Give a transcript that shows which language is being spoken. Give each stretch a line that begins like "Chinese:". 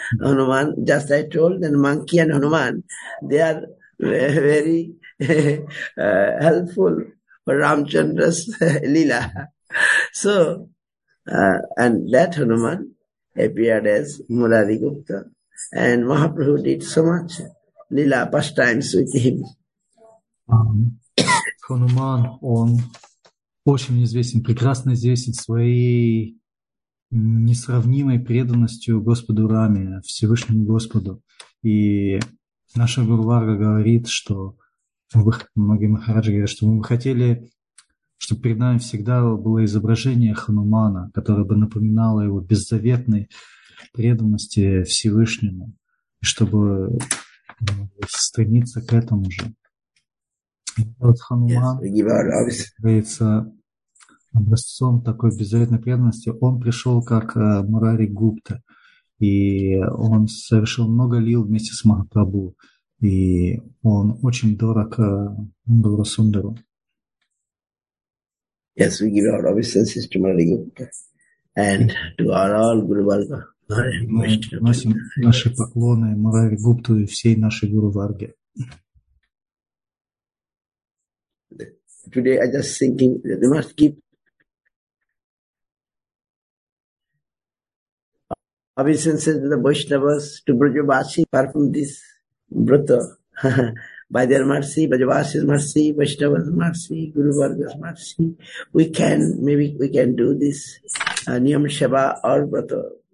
English: Hanuman, just I told, and monkey and Hanuman, they are very helpful for Ramchandra's Leela. So, and that Hanuman appeared as Murari Gupta. And Mahaprabhu did so much lila pastimes with him.
Russian: Хануман, он очень известен, прекрасно известен своей несравнимой преданностью Господу Раме, Всевышнему Господу. И наша Гуру Варга говорит, что многие махараджи говорят, что мы бы хотели, чтобы перед нами всегда было изображение Ханумана, которое бы напоминало его беззаветный преданности Всевышнему, чтобы стремиться к этому же. И вот Хануман,
English: yes,
Russian: говорится, образцом такой беззаветной преданности, он пришел как Мурари Гупта, и он совершил много лил вместе с Махапрабху, и он очень дорог Гуру Сундару.
English: Yes, we give our obeisances to Murari Gupta and to our all Guru Varga.
Russian: Мы носим наши поклоны Мурари Гупту и всей нашей Гуру Варге.
English: Today I just thinking that they must give obeisances to the Vaishnavas, to Brajavasi, apart from this Vrata. By their mercy, Brajavasi's mercy, Vaishnava's mercy, Guru Varga's mercy, we can do this Niyam Shava or Vrata.